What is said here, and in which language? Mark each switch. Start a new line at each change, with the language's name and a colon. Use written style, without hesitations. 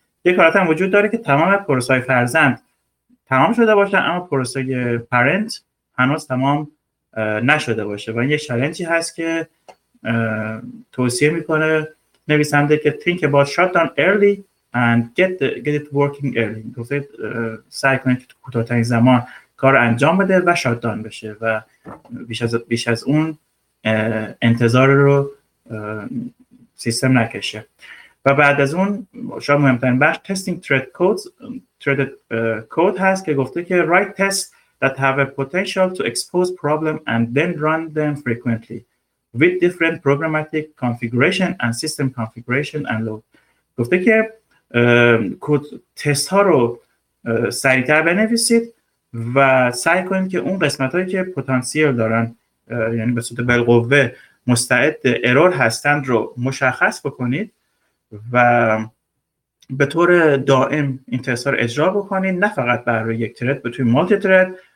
Persian: یک حالت هم وجود داره که تمام پروسه های فرزند تمام شده باشن اما پروسه پرنت هنوز تمام نشده باشه، و این یه چالنجی هست که توصیه میکنه نویسنده که
English: think about shutdown early and get it working early.
Persian: گفته سعی کنید که کوتاه‌ترین زمان کار انجام بده و شاددان بشه و بیش از اون انتظار رو سیستم نکشه. و بعد از اون شاید مهمترین بخش
English: testing threaded code
Persian: هست که گفته که
English: write tests that have a potential to expose problem and then run them frequently with different programmatic configuration and system configuration and load.
Persian: گفته که کد تست ها رو سریع‌تر بنویسید و سعی کنید که اون قسمت هایی که پتانسیل دارن، یعنی به صورت بالقوه مستعد ارور هستند، رو مشخص بکنید و به طور دائم این تست ها رو اجرا بکنید، نه فقط برای یک ترد، به توی مالتی ترد،